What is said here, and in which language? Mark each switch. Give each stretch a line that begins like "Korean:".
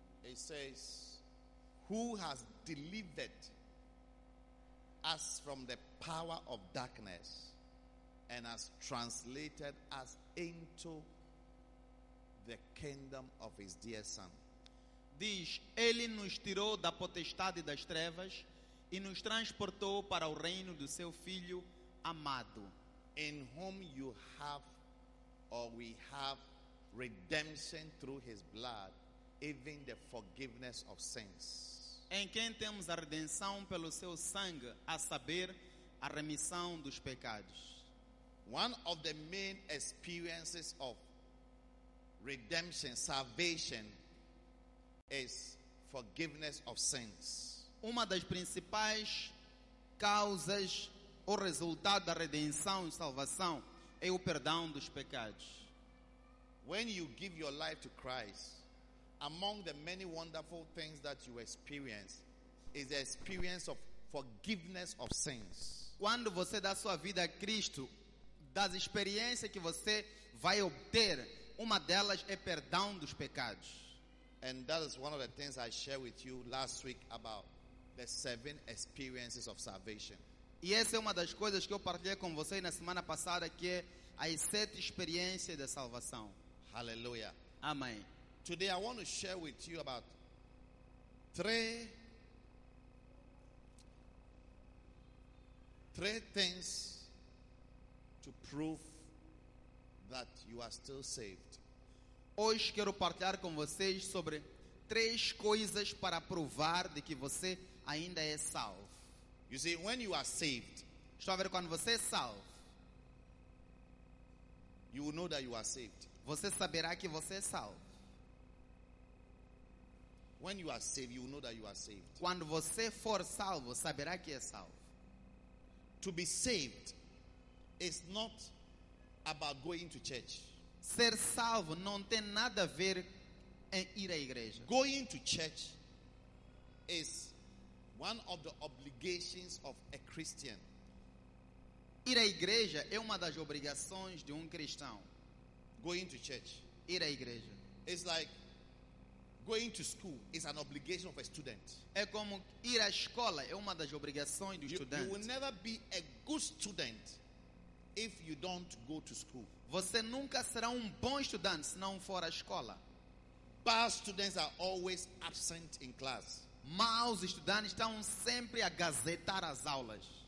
English: It says, who has delivered us from the power of darkness and has translated us into the kingdom of his dear son.
Portuguese: Diz, ele nos tirou da potestade das trevas e nos transportou para o reino do seu filho amado.
English: In whom you have, or we have, redemption through his blood, even the forgiveness of sins.
Portuguese: Em quem temos a redenção pelo seu sangue, a saber, a remissão dos pecados.
English: One of the main experiences of redemption, salvation, is forgiveness of sins.
Portuguese: Uma das principais causas ou resultado da redenção e salvação é o perdão dos pecados.
English: When you give your life to Christ, among the many wonderful things that you experience is the experience of forgiveness of sins.
Portuguese: Quando você dá sua vida a Cristo, das experiências que você vai obter, uma delas é perdão dos pecados.
English: And that is one of the things I shared with you last week about the seven experiences of salvation.
Portuguese: E essa é uma das coisas que eu partilhei com vocês na semana passada, que é as sete experiências da salvação.
English: Hallelujah.
Portuguese: Amém.
English: Today I want to share with you about three things to prove that you are still saved.
Portuguese: Hoje quero partilhar com vocês sobre três coisas para provar de que você ainda é salvo.
English: You see, when you are saved,
Portuguese: estou a ver, quando você é salvo,
English: you will know that you are saved.
Portuguese: Você saberá que você é salvo.
English: When you are saved, you will know that you are saved.
Portuguese: Quando você for salvo, saberá que é salvo.
English: To be saved is not about going to church.
Portuguese: Ser salvo não tem nada a ver em ir à igreja.
English: Going to church is one of the obligations of a Christian.
Portuguese: Ir à igreja é uma das obrigações de cristão.
English: Going to church,
Portuguese: ir à igreja.
English: It's like going to school is an obligation of a student.
Portuguese: É como ir à escola é uma das obrigações do estudante.
English: You will never be a good student if you don't go to school.
Portuguese: Você nunca será bom estudante se não for à escola.
English: Bad students are always absent in class.
Portuguese: Maus estudantes estão sempre a gazetar as aulas.